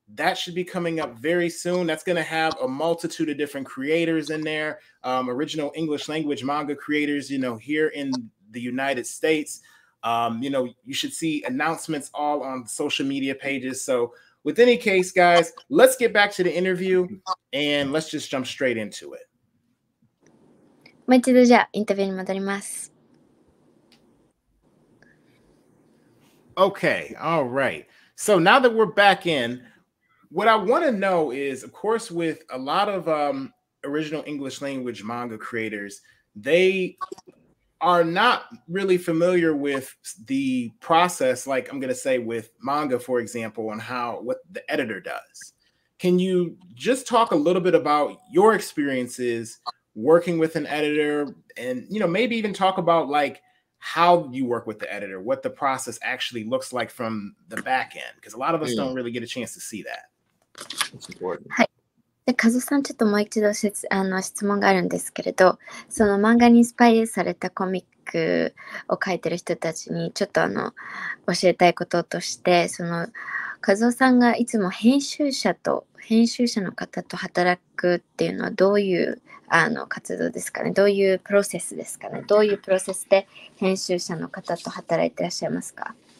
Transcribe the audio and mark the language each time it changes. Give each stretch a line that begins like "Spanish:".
English: That should be coming up very soon. That's going to have a multitude of different creators in there, original English language manga creators, you know, here in the United States. You know, you should see announcements all on social media pages. So with any case, guys, let's get back to the interview and let's just jump straight into it.
Japanese: もう一度じゃあインタビューに戻ります。
English: Okay, all right. So now that we're back in, what I want to know is, of course, with a lot of original English language manga creators, they are not really familiar with the process, like I'm going to say with manga, for example, and what the editor does. Can you just talk a little bit about your experiences working with an editor, and, you know, maybe even talk about like how you work with the editor, what the process actually looks like from the back end, because a lot of us don't really get a chance to see that. It's important.
Japanese: はい。で、カズさん、ちょっともう一度質、あの質問があるんですけれど、その漫画にインスパイアされたコミックを書いてる人たちにちょっとあの教えたいこととして、そのカズさんがいつも編集者の方と働くっていうのはどういうあの活動ですかね、どういうプロセスですかね、どういうプロセスで編集者の方と働いてらっしゃいますか。